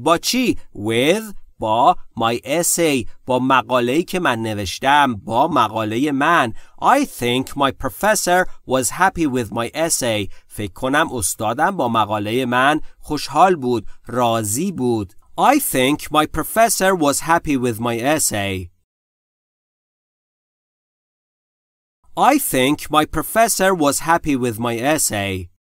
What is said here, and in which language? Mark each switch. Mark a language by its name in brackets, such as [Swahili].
[Persian] با چی؟ With، با [English] my essay، [Persian] با مقاله‌ای که من نوشتم، با مقاله من. [English] I think my professor was happy with my essay. [Persian] فکر کنم استادم با مقاله من خوشحال بود، راضی بود. [English] I think my professor was happy with my essay. I think my professor was happy with my essay.